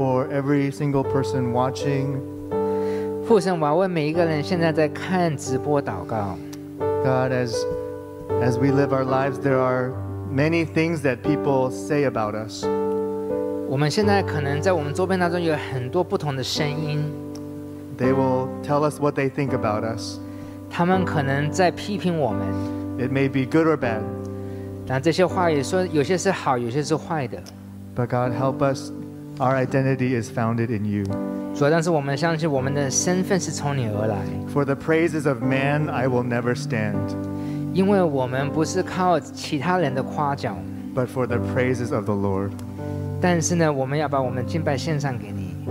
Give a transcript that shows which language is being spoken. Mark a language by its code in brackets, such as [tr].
[en] every single person watching. [zh] 父神，我为每一个人现在在看直播祷告。 [en] God, as we live our lives, there are many things that people say about us. [zh] 我们现在可能在我们周边当中有很多不同的声音。 [en] They will tell us what they think about us. [zh] 他们可能在批评我们。 [en] It may be good or bad. [zh] 但这些话也说，有些是好，有些是坏的。 [en] But God, help us. Our identity is founded in you. [zh] 主啊，但是我们相信我们的身份是从你而来。 [en] For the praises of man, I will never stand. [zh] 因为我们不是靠其他人的夸奖。 [en] But for the praises of the Lord. [zh] 但是呢，我们要把我们敬拜献上给你。